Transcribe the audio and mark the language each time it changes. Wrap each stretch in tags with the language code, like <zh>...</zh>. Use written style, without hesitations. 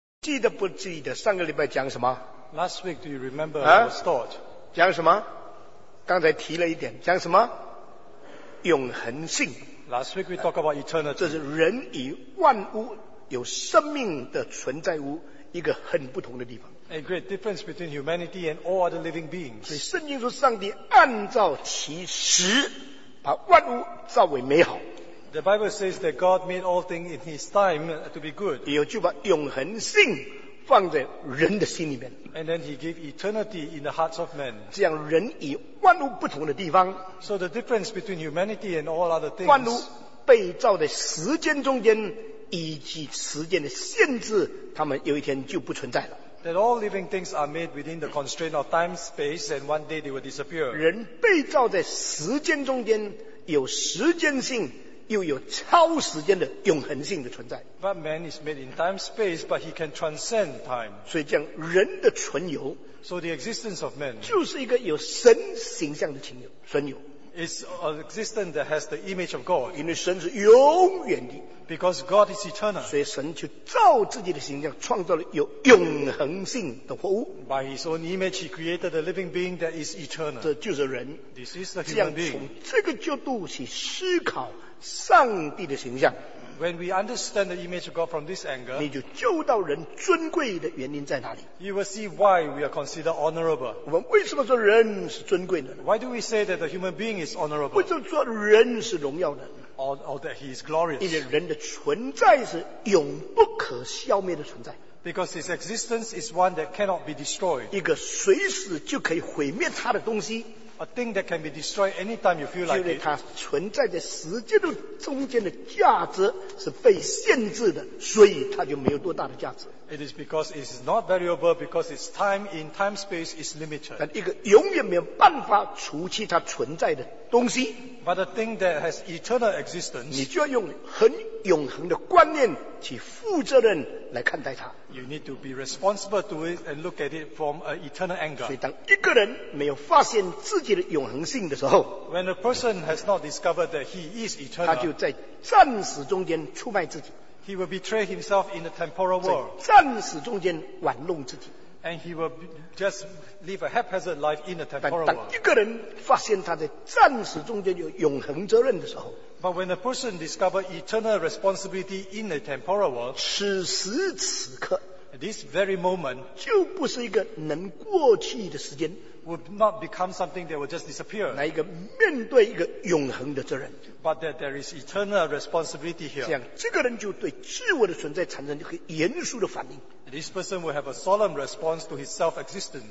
<zh>记得不记得上个礼拜讲什么</zh> <en>？Last week, do you remember our thought?、</en> <zh>啊、讲什么？刚才提了一点，讲什么？永恒性。</zh> <en>Last week we talk about eternity.</en> <zh>这是人与万物有生命的存在物一个很不同的地方。</zh> <en>A great difference between humanity and all other living beings.</en> <zh>所以圣经说，上帝按照其时，把万物造为美好。</zh> <en>The Bible says that God made all things in His time to be good.</en> <zh>也就把永恒性放在人的心里面。</zh> <en>And then He gave eternity in the hearts of men.</en> <zh>这样人与万物不同的地方。</zh> <en>So the difference between humanity and all other things.</en> <zh>万物被造在时间中间，以及时间的限制，他们有一天就不存在了。</zh> <en>That all living things are made within the constraint of time, space, and one day they will disappear.</en> <zh>人被造在时间中间，有时间性。又有超时间的永恒性的存在。</zh> <en>But man is made in time space, but he can transcend time.</en> <zh>所以讲人的存有</zh> <en>，so the existence of man</en> <zh>就是一个有神形象的存有。</zh> <en>It's an existence that has the image of God.</en> <zh>因为神是永远的</zh> <en>，because God is eternal.</en> <zh>所以神就照自己的形象创造了有永恒性的活物。</zh> <en>By his own image, he created a living being that is eternal.</en> <zh>这就是人。</zh> <en>This is the human being.</en> <zh>这样从这个角度去思考。上帝的形象</zh> <en>When we understand the image of God from this angle,</en> <zh>你就救到人尊贵的原因在哪里</zh> <en>You will see why we are considered honorable.</en> <zh>我们为什么说人是尊贵的</zh> <en>Why do we say that the human being is honorable?</en> <zh>为什么说人是荣耀的</zh> <en>or that he is glorious?</en> <zh>因为人的存在是永不可消灭的存在</zh> <en>Because his existence is one that cannot be destroyed.</en> <zh>一个随时就可以毁灭他的东西</zh> <en>A thing that can be destroyed anytime you feel like it.</en> <zh>因为它存在在时间的中间的价值是被限制的，所以它就没有多大的价值。</zh> <en>It is because it is not valuable because its time in time space is limited.</en> <zh>但一个永远没有办法除去它存在的东西。</zh> <en>But a thing that has eternal existence.</en> <zh>你就要用很永恒的观念去负责任来看待它。</zh> <en>You need to be responsible to it and look at it from an eternal angle.</en> <zh>所以当一个人没有发现自己的永恒性的时候</zh> <en>，When a person has not discovered that he is eternal,</en> <zh>他就在暂时中间出卖自己。</zh> <en>He will betray himself in the temporal world.</en> <zh>在暂时中间玩弄自己。</zh> <en>And he will just live a haphazard life in the temporal world.</en> <zh>但当一个人发现他在暂时中间有永恒责任的时候</zh> <en>，But when a person discovers eternal responsibility in the temporal world,</en> <zh>此时此刻</zh> <en>，this very moment</en> <zh>就不是一个能过去的时间。</zh> <en>Would not become something that will just disappear.</en> <zh>来一个面对一个永恒的责任。</zh> <en>But that there is eternal responsibility here.</en> <zh>这样，这个人就对自我的存在产生一个严肃的反应。</zh> <en>This person will have a solemn response to his self-existence.</en>